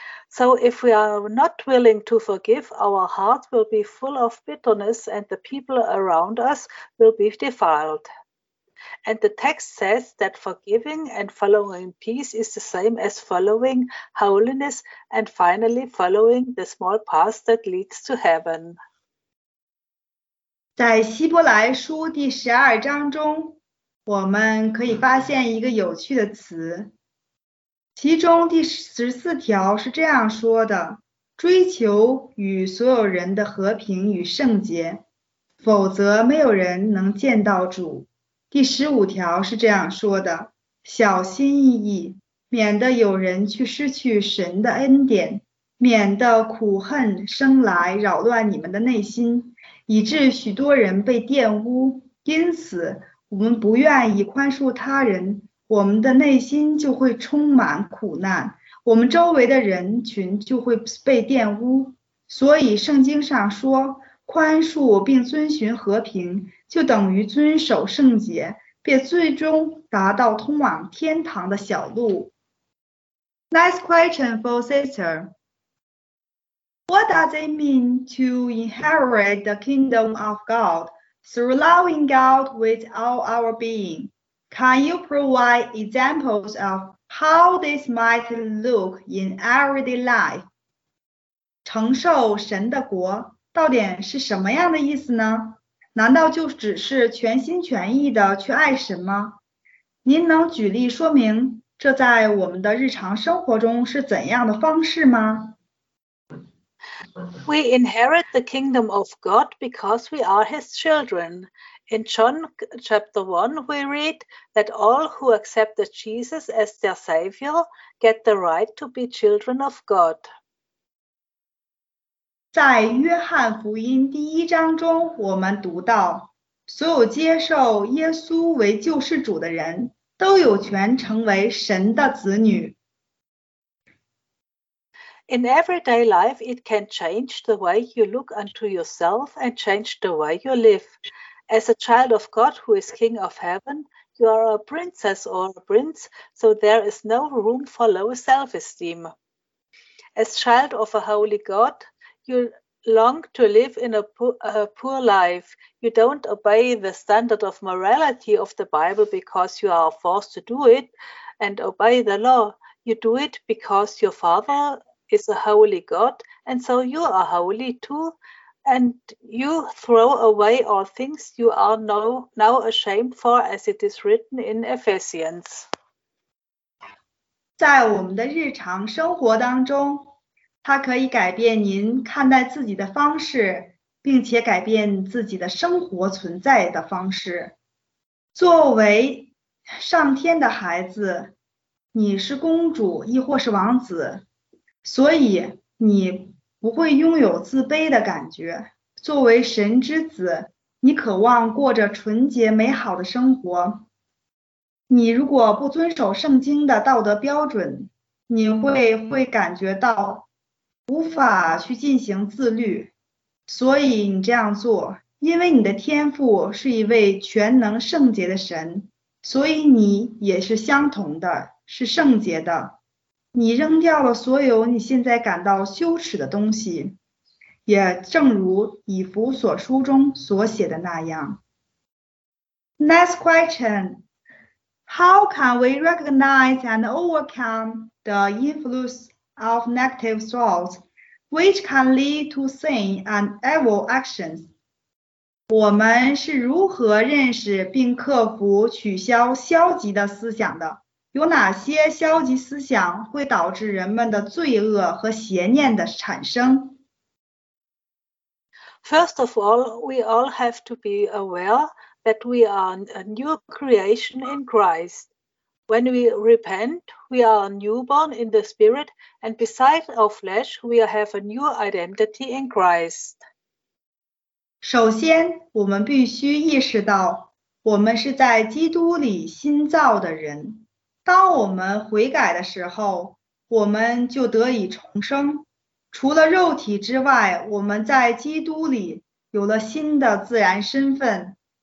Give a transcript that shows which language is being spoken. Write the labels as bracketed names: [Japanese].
[English] So if we are not willing to forgive, our hearts will be full of bitterness, and the people around us will be defiled. And the text says that forgiving and following peace is the same as following holiness and finally following the small path that leads to heaven. [Chinese] 在希伯来书第十二章中，我们可以发现一个有趣的词。其中第十四条是这样说的：追求与所有人的和平与圣洁，否则没有人能见到主。第十五条是这样说的，小心翼翼，免得有人去失去神的恩典，免得苦恨生来扰乱你们的内心，以致许多人被玷污。因此，我们不愿意宽恕他人，我们的内心就会充满苦难，我们周围的人群就会被玷污。所以圣经上说，宽恕并遵循和平，就等于遵守圣洁，并最终达到通往天堂的小路。 [English] Next question for sister. What does it mean to inherit the kingdom of God through loving God with all our being? Can you provide examples of how this might look in everyday life? [Chinese] 承受神的国到底是什么样的意思呢？难道就只是全心全意的去爱神吗？您能举例说明这在我们的日常生活中是怎样的方式吗？ [English] We inherit the kingdom of God because we are his children. In John chapter 1, we read that all who accepted Jesus as their savior get the right to be children of God. [Chinese] 在约翰福音第一章中，我们读到，所有接受耶稣为救世主的人，都有权成为神的子女。 [English] In everyday life, it can change the way you look unto yourself and change the way you live. As a child of God who is King of Heaven, you are a princess or a prince, so there is no room for low self-esteem. As child of a holy God,You long to live in a poor life. You don't obey the standard of morality of the Bible because you are forced to do it and obey the law. You do it because your father is a holy God, and so you are holy too. And you throw away all things you are now ashamed for, as it is written in Ephesians. [Chinese] 在我们的日常生活当中，它可以改变您看待自己的方式，并且改变自己的生活存在的方式。作为上天的孩子，你是公主亦或是王子，所以你不会拥有自卑的感觉。作为神之子，你渴望过着纯洁美好的生活。你如果不遵守圣经的道德标准，你会感觉到无法去进行自律，所以你这样做，因为你的天父是一位全能圣洁的神，所以你也是相同的，是圣洁的。你扔掉了所有你现在感到羞耻的东西，也正如以弗所书中所写的那样。 [English] Next question. How can we recognize and overcome the influence of negative thoughts? Which can lead to sin and evil actions. [Chinese] 我们是如何认识并克服取消消极的思想的？有哪些消极思想会导致人们的罪恶和邪念的产生？ [English] First of all, we all have to be aware that we are a new creation in Christ. When we repent, we are newborn in the spirit, and besides our flesh, we have a new identity in Christ. [Chinese] 首先，我们必须意识到，我们是在基督里新造的人。当我们悔改的时候，我们就得以重生。除了肉体之外，我们在基督里有了新的自然身份。